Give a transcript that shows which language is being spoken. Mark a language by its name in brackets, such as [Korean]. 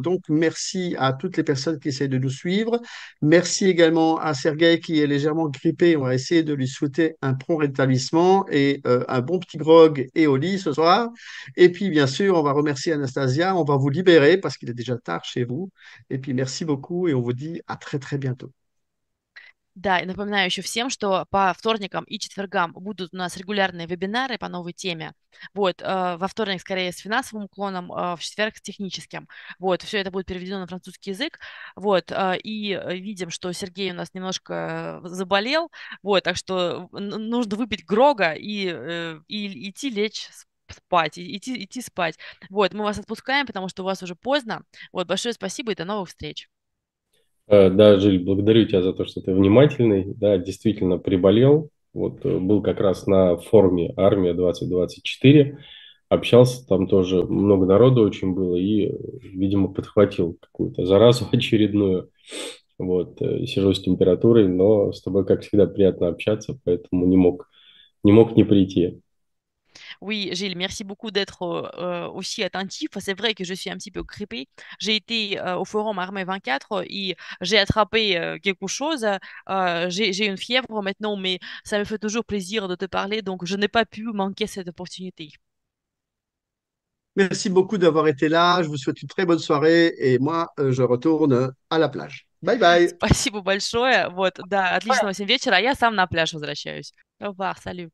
[French] Donc, merci à toutes les personnes qui essaient de nous suivre. Merci également à Sergueï qui est légèrement grippé. On va essayer de lui souhaiter un prompt rétablissement et un bon petit grog et au lit ce soir. Et puis, bien sûr, on va remercier Anastasia. On va vous libérer parce qu'il est déjà tard chez vous. Et puis, merci beaucoup et on vous dit à très, très bientôt. [Russian] Да, и напоминаю еще всем, что по вторникам и четвергам будут у нас регулярные вебинары по новой теме. Вот, во вторник скорее с финансовым уклоном, в четверг с техническим. Вот, все это будет переведено на французский язык. Вот, и видим, что Сергей у нас немножко заболел. Вот, так что нужно выпить грога и идти лечь спать, идти спать. Вот, мы вас отпускаем, потому что у вас уже поздно. Вот, большое спасибо и до новых встреч. Да, Жиль, благодарю тебя за то, что ты внимательный. Да, действительно приболел. Вот был как раз на форуме «Армия 2024». Общался, там тоже много народу очень было и, видимо, подхватил какую-то заразу очередную. Вот, сижу с температурой, но с тобой, как всегда, приятно общаться, поэтому не мог не прийти. [French] Oui, Gilles, merci beaucoup d'être aussi attentif. C'est vrai que je suis un petit peu grippée. J'ai été au forum Armée 24 et j'ai attrapé quelque chose. J'ai une fièvre maintenant, mais ça me fait toujours plaisir de te parler. Donc, je n'ai pas pu manquer cette opportunité. Merci beaucoup d'avoir été là. Je vous souhaite une très bonne soirée et moi, je retourne à la plage. Bye bye. [Russian] Спасибо большое. Вот, да, отличного всем вечера. Я сам на пляж возвращаюсь. [French] Au revoir, salut.